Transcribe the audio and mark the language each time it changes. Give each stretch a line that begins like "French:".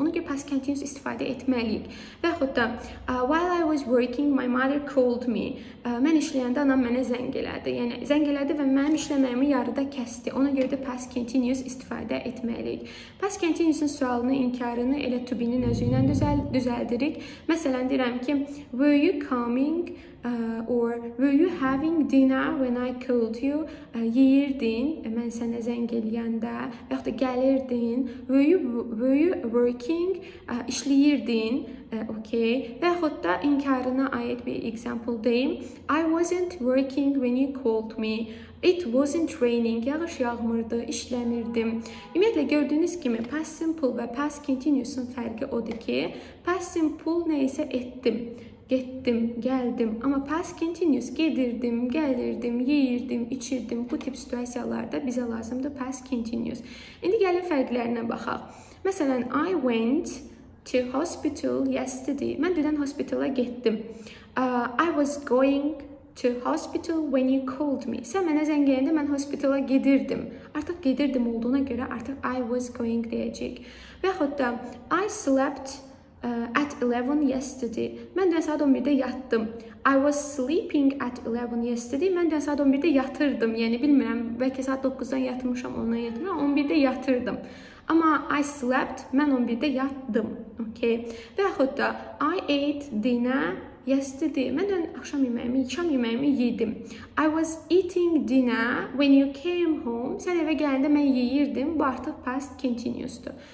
Azerbaijani: Ona görə past continuous istifadə etməliyik. Və yaxud da,
English: while I was working, my mother called me.
Azerbaijani: Mən işləyəndə anam mənə zəng elədi. Yəni, zəng elədi və mənim işləməyimi yarıda kəsdi. Ona görə də past continuous istifadə etməliyik. Past continuous-un sualını, inkarını elə tübinin özü ilə düzəldirik. Məsələn, deyirəm ki,
English: were you coming? Or were you having dinner when I called you?
Azerbaijani: Yeyirdin, mən sənə zəng eləyəndə, və yaxud da gəlirdin.
English: Were you working?
Azerbaijani: İşləyirdin,
English: okay.
Azerbaijani: Və yaxud da inkarına aid bir example deyim.
English: I wasn't working when you called me. It wasn't raining,
Azerbaijani: yağış yağmırdı, işləmirdim. Ümumiyyətlə, gördüyünüz kimi, past simple və past continuous-un fərqi odur ki, past simple nə isə etdim. Getdim, gəldim. Amma past continuous gedirdim, gəlirdim, yeyirdim, içirdim. Bu tip situasiyalarda bizə lazımdır past continuous. İndi gəlin fərqlərinə baxaq. Məsələn,
English: I went to hospital yesterday.
Azerbaijani: Mən dünən hospitala getdim.
English: I was going to hospital when you called me.
Azerbaijani: Sən mənə zəng eləyəndə mən hospitala gedirdim. Artıq gedirdim olduğuna görə artıq
English: I was going
Azerbaijani: deyəcək.
English: Və yaxud da I slept at 11 yesterday.
Azerbaijani: Mən dünən saat 11-də yatdım.
English: I was sleeping at 11 yesterday.
Azerbaijani: Mən dünən saat 11-də yatırdım. Yəni, bilmirəm, bəlkə saat 9-dan yatmışam, 10-dan yatmışam, 11-də yatırdım. Amma
English: I slept,
Azerbaijani: mən 11-də yatdım. Okay.
English: Və yaxud da I ate dinner yesterday.
Azerbaijani: Mən dünən axşam yeməyimi, ikşam yeməyimi yedim.
English: I was eating dinner when you came home.
Azerbaijani: Sən evə gələndə mən yeyirdim. Bu artıq past continuous-dur.